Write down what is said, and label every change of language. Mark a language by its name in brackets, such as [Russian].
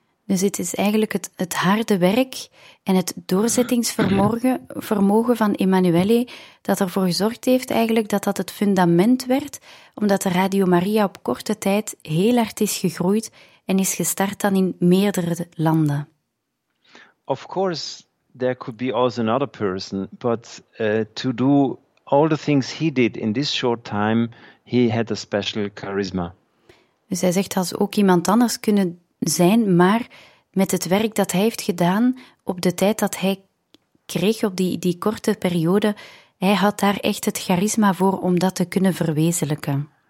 [Dutch] Dus het is eigenlijk het harde werk en het doorzettingsvermogen van Emanuele dat ervoor gezorgd heeft eigenlijk dat het fundament werd, omdat de Radio Maria op korte tijd heel hard is gegroeid en is gestart dan in meerdere landen. [English] Of course, there could be also another person, but to do all the things he did in this short time, he had a special charisma. [Dutch] Dus hij zegt, als ook iemand anders kunnen zijn, maar met het werk dat hij heeft gedaan op de tijd dat hij kreeg, op die korte periode, hij had daar echt het charisma voor om dat te kunnen verwezenlijken.